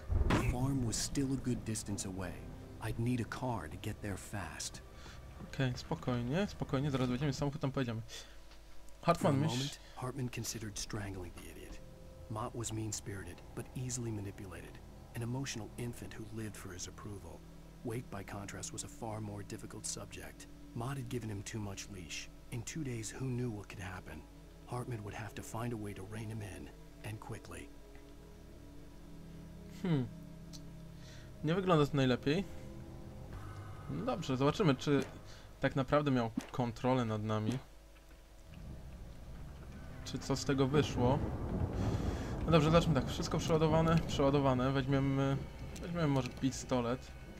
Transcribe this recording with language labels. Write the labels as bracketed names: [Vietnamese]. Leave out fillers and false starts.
[English] The farm was still a good distance away. I'd need a car to get there fast. [Polish] Okej, spokojnie, spokojnie, zaraz wejdziemy w samochód, tam pojedziemy. [English] Hartman, for a moment, Hartman considered strangling the idiot. Mott was mean-spirited, but easily manipulated. An emotional infant who lived for his approval. Wake, by contrast, was a far more difficult subject. Mott had given him too much leash. In 2 days, who knew what could happen? Hartman would have to find a way to rein him in, and quickly. [Polish] Nie wygląda to najlepiej. No dobrze, zobaczymy, czy tak naprawdę miał kontrolę nad nami. Czy co z tego wyszło? No dobrze, zobaczmy tak. Wszystko przeładowane, przeładowane. Weźmiemy może pistolet.